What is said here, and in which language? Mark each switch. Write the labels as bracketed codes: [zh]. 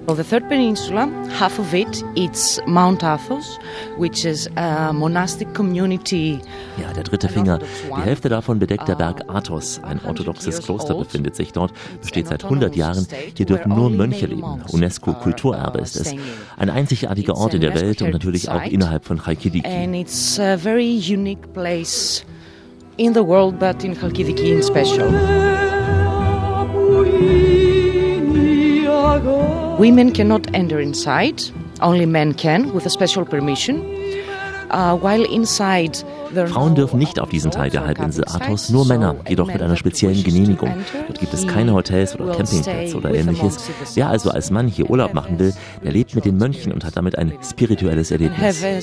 [en] Well, the third peninsula, half of it, it's Mount Athos, which is a monastic community. [de] Ja, der dritte Finger. Die Hälfte davon bedeckt der Berg Athos. Ein orthodoxes Kloster befindet sich dort, besteht seit 100 Jahren. Hier dürfen nur Mönche leben. UNESCO-Kulturerbe ist es. Ein einzigartiger Ort in der Welt und natürlich auch innerhalb von Chalkidiki. [en] And it's a very unique place in the world, but in Chalkidiki in special. Women cannot enter inside, only men can, with a special permission. While inside, [de] Frauen dürfen nicht auf diesen Teil der Halbinsel Athos, nur Männer, jedoch mit einer speziellen Genehmigung. Dort gibt es keine Hotels oder Campingplätze oder ähnliches. Wer also als Mann hier Urlaub machen will, der lebt mit den Mönchen und hat damit ein spirituelles Erlebnis.